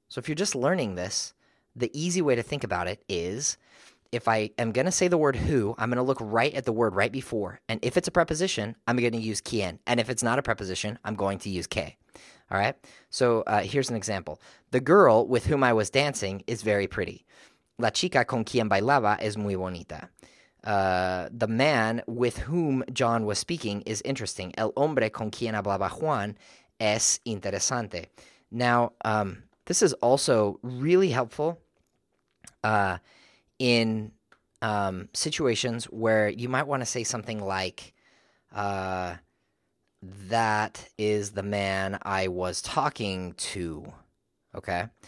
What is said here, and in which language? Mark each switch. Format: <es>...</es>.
<en>So if you're just learning this, the easy way to think about it is, if I am going to say the word who, I'm going to look right at the word right before. And if it's a preposition, I'm going to use quien. And if it's not a preposition, I'm going to use que. All right? So here's an example. The girl with whom I was dancing is very pretty.</en> <es>La chica con quien bailaba es muy bonita.</es> <en>The man with whom John was speaking is interesting.</en> <es>El hombre con quien hablaba Juan es interesante.</es> <en>Now, this is also really helpful in situations where you might want to say something like, that is the man I was talking to, okay?</en>